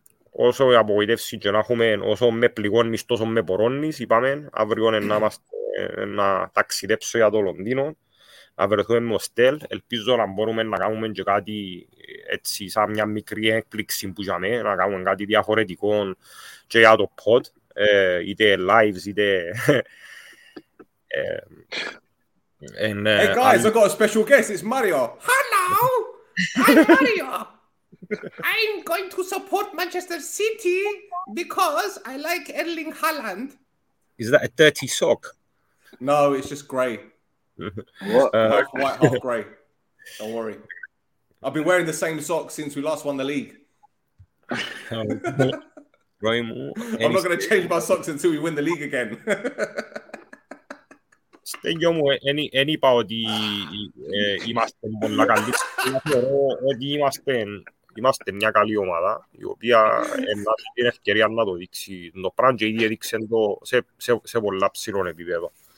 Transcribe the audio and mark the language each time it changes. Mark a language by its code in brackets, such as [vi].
[el] Όσο απογοητεύσεις και να έχουμε, όσο με πληγώνεις τόσο με πορώνεις, είπαμε, αύριο να ταξιδέψω για το Λονδίνο. Να βρεθούμε με ο Στέλ. Ελπίζω να μπορούμε να κάνουμε και κάτι έτσι σαν μια μικρή έκπληξη που για μένα, να κάνουμε κάτι διαφορετικό και για το pod, είτε lives, είτε... [en] Hey guys, I've got a special guest, it's Mario! Hello! I'm Mario! I'm going to support Manchester City because I like Erling Haaland. Is that a dirty sock? No, it's just grey. What? Half white, half grey. Don't worry. I've been wearing the same socks since we last won the league. I'm not going to change my socks until we win the league again. [el] Στέγιο μου, εν είπα ότι είμαστε πολλά καλή. Θεωρώ ότι είμαστε μια καλή ομάδα, η οποία έχει την ευκαιρία να το δείξει. Το πράγμα και ήδη έδειξε το σε πολλά ψηλό επίπεδο.